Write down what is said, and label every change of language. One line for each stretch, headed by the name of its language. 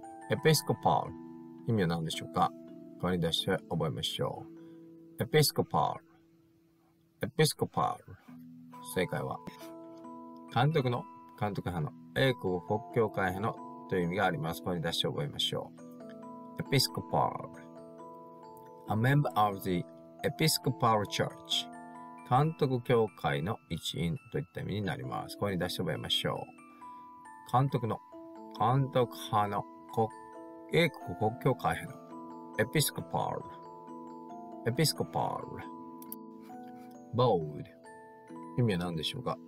Japanese: Episcopal. 意味は何でしょうか。声に出して覚えましょう。
English: Episcopal. Episcopal.
Japanese: 正解は監督の、監督派の、英国国教会派のという意味があります。声に出して覚えましょう。
English: Episcopal. A member of the Episcopal Church.
Japanese: 監督教会の一員といった意味になります。声に出して覚えましょう。監督の、監督派の、英国国教会派の。
English: Episcopal. Episcopal. Bold.
Japanese: 意味は何でしょうか。